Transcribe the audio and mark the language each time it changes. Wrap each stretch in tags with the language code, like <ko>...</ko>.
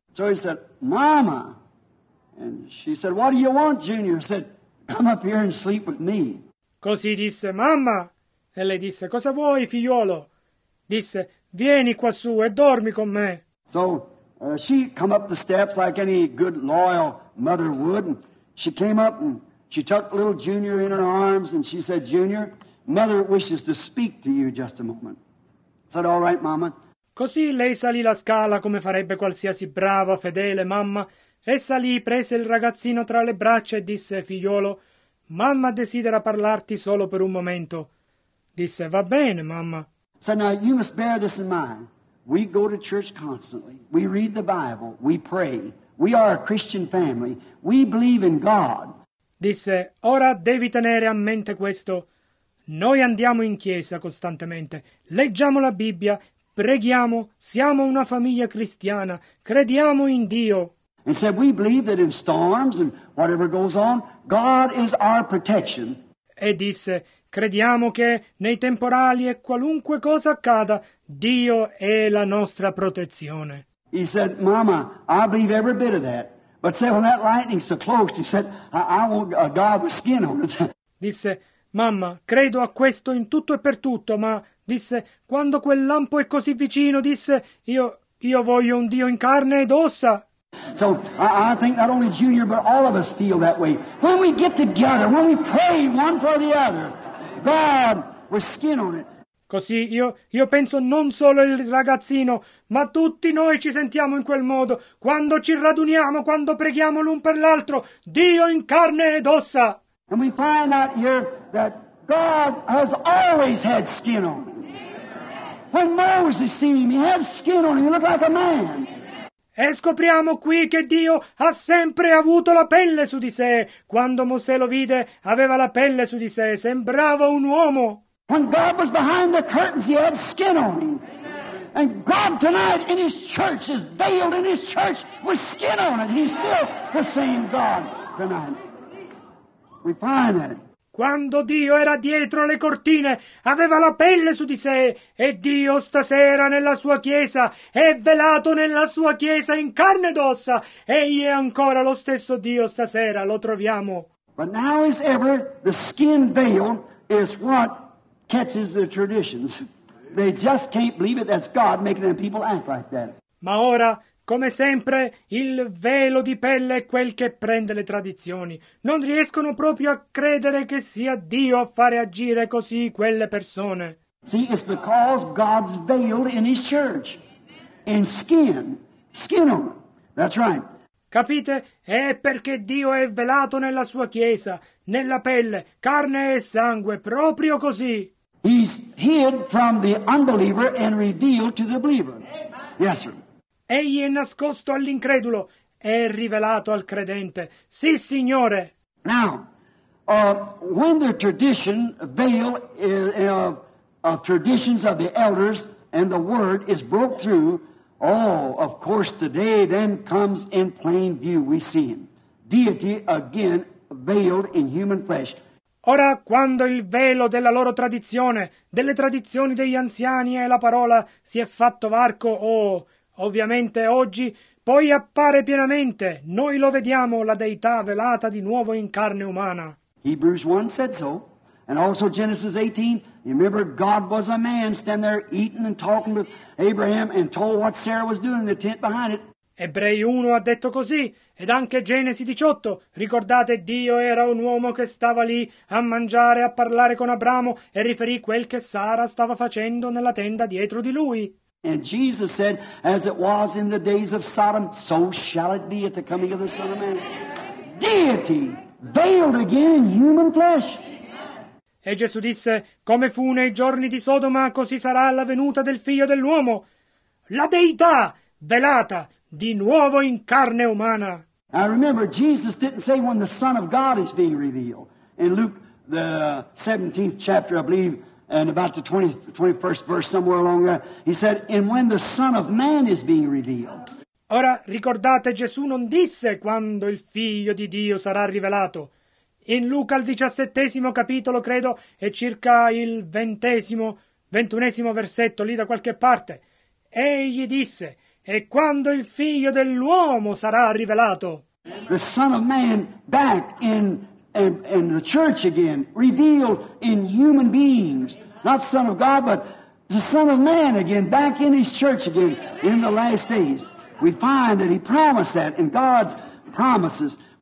<en>So he said, "Mama." And she said, "What do you want, Junior?" He said, "Come up here and sleep with me."</en> <it>Così disse, "Mamma." E lei disse, "Cosa vuoi, figliolo?" Disse, "Vieni quassù e dormi con me."</it> <en>So she come up the steps like any good loyal mother would, and she came up and she tucked little Junior in her arms and she said, "Junior, mother wishes to speak to you just a moment." I said, "All right, mama."</en> <it>Così lei salì la scala come farebbe qualsiasi brava fedele mamma e salì, prese il ragazzino tra le braccia e disse, "Figliolo, mamma desidera parlarti solo per un momento." Disse, "Va bene, mamma."</it> <en>So now you must bear this in mind. We go to church constantly. We read the Bible. We pray. We are a Christian family. We believe in God.</en> <it>Disse, "Ora devi tenere a mente questo. Noi andiamo in chiesa costantemente. Leggiamo la Bibbia. Preghiamo. Siamo una famiglia cristiana. Crediamo in Dio."</it> <en>And said, "We believe that in storms and whatever goes on, God is our protection."</en> <it>E disse, "Crediamo che nei temporali e qualunque cosa accada, Dio è la nostra protezione."</it> <en>He said, "Mama, I believe every bit of that. But say, when that lightning's so close, he said, I want a God with skin on it."</en> <it>Disse, Mamma, credo a questo in tutto e per tutto, ma disse, quando quel lampo è così vicino, disse, io voglio un Dio in carne ed ossa.</it> <en>So I think not only Junior, but all of us feel that way. When we get together, when we pray one for the other, God with skin on it.</en> <it>Così io penso non solo il ragazzino, ma tutti noi ci sentiamo in quel modo, quando ci raduniamo, quando preghiamo l'un per l'altro, Dio in carne ed ossa.</it> <en>And we find out here that God has always had skin on him. When Moses seen him, he had skin on him, he looked like a man.</en> <it>E scopriamo qui che Dio ha sempre avuto la pelle su di sé. Quando Mosè lo vide, aveva la pelle su di sé, sembrava un uomo.</it> <en>When God was behind the curtains, he had skin on him. And God tonight in his church is veiled in his church with skin on it. He's still the same God tonight. We find that.</en> <it>Quando Dio era dietro le cortine, aveva la pelle su di sé. E Dio stasera nella sua chiesa è velato nella sua chiesa in carne ed ossa. Egli è ancora lo stesso Dio stasera, lo troviamo.</it> <en>But now as ever, the skin veil is what catches the traditions. They just can't believe it, that's God making them people act like that.</en> <it>Ma ora, come sempre, il velo di pelle è quel che prende le tradizioni. Non riescono proprio a credere che sia Dio a fare agire così quelle persone.</it> <en>See, it's because God's veiled in his church. In skin. Skin on. That's right.</en> <it>Capite? È perché Dio è velato nella sua chiesa, nella pelle, carne e sangue, proprio così.</it> <en>He's hid from the unbeliever and revealed to the believer. Yes, sir.</en> <it>Egli è nascosto all'incredulo e rivelato al credente. Sì, Signore!</it> <en>Now, when the tradition veil of traditions of the elders and the word is broke through, oh, of course, today then comes in plain view. We see him. Deity again veiled in human flesh.</en> <it>Ora, quando il velo della loro tradizione, delle tradizioni degli anziani e la parola si è fatto varco, oh, ovviamente oggi, poi appare pienamente, noi lo vediamo, la Deità velata di nuovo in carne umana.</it> <en>Hebrews 1 said so, and also Genesis 18, you remember God was a man standing there eating and talking with Abraham and told what Sarah was doing in the tent behind it.</en> <it>Ebrei 1 ha detto così, ed anche Genesi 18, ricordate Dio era un uomo che stava lì a mangiare, a parlare con Abramo e riferì quel che Sara stava facendo nella tenda dietro di lui.</it> <en>And Jesus said, as it was in the days of Sodom, so shall it be at the coming of the Son of Man. Deity veiled again human flesh.</en> <it>E Gesù disse, come fu nei giorni di Sodoma, così sarà la venuta del Figlio dell'uomo. La Deità velata di nuovo in carne umana.</it> <en>I remember Jesus didn't say when the Son of God is being revealed. In Luke, the 17th chapter, I believe, and about the 21st verse, somewhere along there, he said, and when the Son of Man is being revealed.</en> <it>Ora, ricordate, Gesù non disse quando il Figlio di Dio sarà rivelato. In Luca, il 17° capitolo, credo, è circa il 21° versetto, lì da qualche parte. Egli disse, e quando il Figlio dell'uomo sarà rivelato.</it> <en>The Son of Man back in and the church again, revealed in human beings. Not Son of God, but the Son of Man again, back in his church again, in the last days. We find that he promised that in God's promises.</en>